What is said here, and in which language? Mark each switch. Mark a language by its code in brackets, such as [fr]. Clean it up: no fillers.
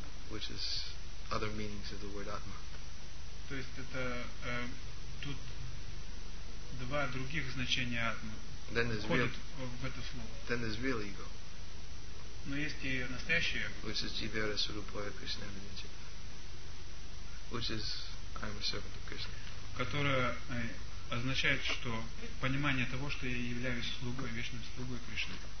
[en] Which is other meanings of the word atma. [ru] То есть это тут два других значения атмы входят в это слово. [en] Then there's real ego. [ru] Но есть и настоящее эго. [en] Which is [sa] jivera surupaya krishna vinichi. [en] Which is I'm a servant of Krishna. [ru] Которое означает, что понимание того, что я являюсь слугой, вечным слугой Кришны.